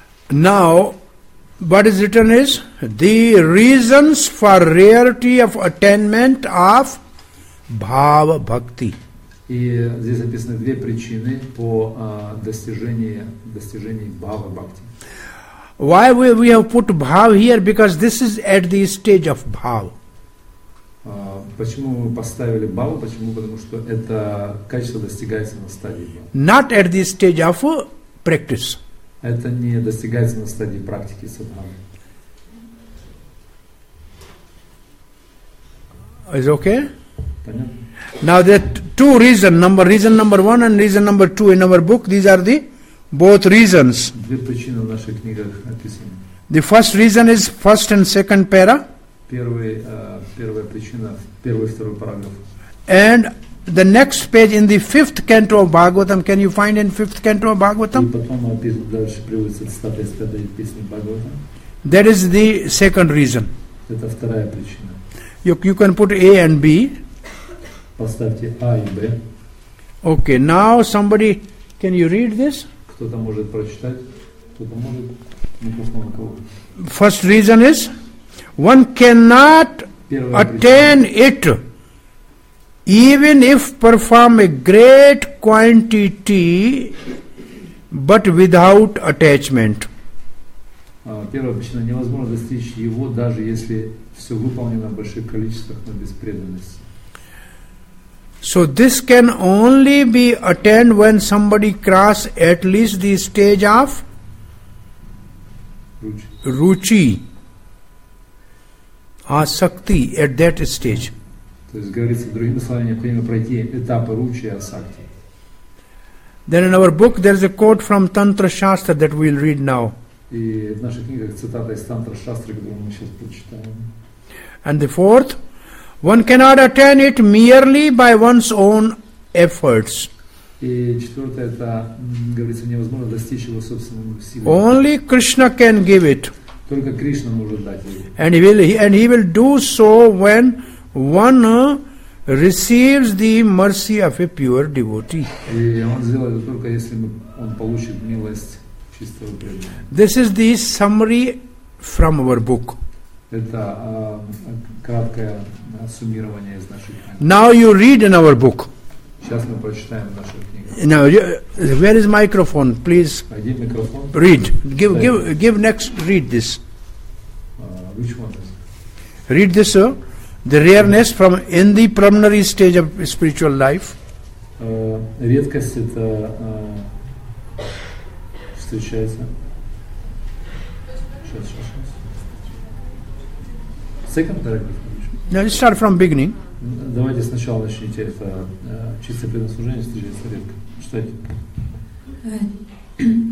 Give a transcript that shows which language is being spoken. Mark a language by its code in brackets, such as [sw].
[en] Now, what is written is the reasons for rarity of attainment of bhava bhakti. [ru] И здесь написаны две причины по достижении bhava bhakti. [en] Why we have put bhava here? Because this is at the stage of bhava. [ru] Почему мы поставили bhava? Почему? Потому что это качество достигается на стадии bhava. [en] Not at the stage of practice. [ru] Это не достигается на стадии практики садханы. [en] Is okay? [ru] Понятно. [en] Now there are two reasons. Number reason number one and reason number two in our book. These are the both reasons. [ru] Две причины в наших книгах описаны. [en] The first reason is first and second para. [ru] Первая причина, первый и второй параграф. [en] And the next page in the fifth canto of Bhagavatam, can you find in fifth canto of Bhagavatam? [ru] И потом описывается дальше приводится цитата из пятой песни Бхагаватам. [en] That is the second reason. [ru] Это вторая причина. [en] You can put A and B. [ru] Поставьте A и B. [en] Okay, now somebody, can you read this? [ru] Кто-то может прочитать, кто-то может. [en] First reason is one cannot attain it even if perform a great quantity but without attachment. [ru] Первая причина, невозможно достичь его, даже если все выполнено в больших количествах, но без преданности. [en] So this can only be attained when somebody cross at least the stage of Ruchi, Asakti, at that stage. [ru] То есть говорится, другими словами, необходимо пройти этапы Ruchi и Asakti. [en] Then in our book there is a quote from Tantra Shastra that we will read now. [ru] И в наших книгах цитата из Тантра Шастры, которую мы сейчас прочитаем. [en] And the fourth, one cannot attain it merely by one's own efforts. [ru] И четвертое, это, говорится, невозможно достичь его собственной силы. [en] Only Krishna can give it. [ru] Только Кришна может дать его. [en] And he will do so when one receives the mercy of a pure devotee. [ru] И он сделает это только если он получит милость чистого преданного. [en] This is the summary from our book. [ru] Это краткое суммирование из нашей книги. [en] Now you read in our book. [ru] Сейчас мы прочитаем нашу книгу. [en] Now, where is microphone, please? Read. Give next, read this. Which one is it? Read this, sir. The rareness from in the preliminary stage of spiritual life. [ru] Редкость это встречается. [en] Second paragraph. Now, let's start from beginning. [ru] Давайте сначала начните это чисто преданное служение встречается редко.